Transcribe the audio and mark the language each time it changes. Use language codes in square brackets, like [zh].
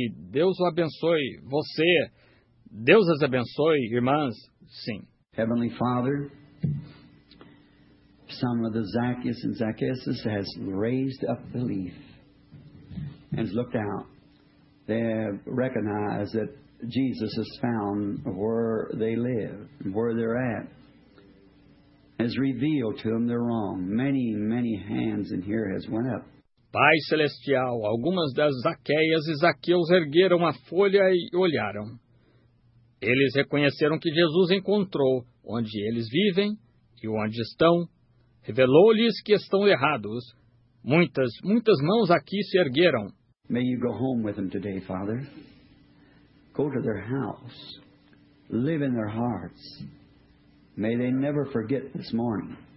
[pt] Deus o abençoe, você, Deus as abençoe, irmãs, sim. [en] Heavenly Father, some of the Zacchaeus and Zacchaeuses has raised up belief and looked out. They recognize that Jesus has found where they live, where they're at, has revealed to them they're wrong. Many, many hands in here has went up. [pt] Pai Celestial, algumas das Zaqueias e Zaqueus ergueram a folha e olharam. Eles reconheceram que Jesus encontrou onde eles vivem e onde estão. Revelou-lhes que estão errados. Muitas, muitas mãos aqui se ergueram. [en] May you go home with them today, Father. Go to their house. Live in their hearts. May they never forget this morning.